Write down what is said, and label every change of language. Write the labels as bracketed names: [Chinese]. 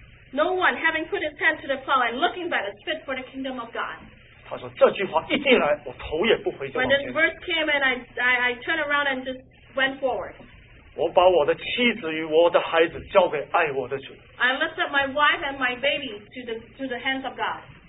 [English] No one having put his hand to the plow and looking back is fit for the kingdom of God. [Chinese] 他说这句话一进来，我头也不回就往前。 [English] When this verse came in, I turned around and just went forward. [Chinese] 我把我的妻子与我的孩子交给爱我的主。 [English] I lifted up my wife and my baby to the hands of God.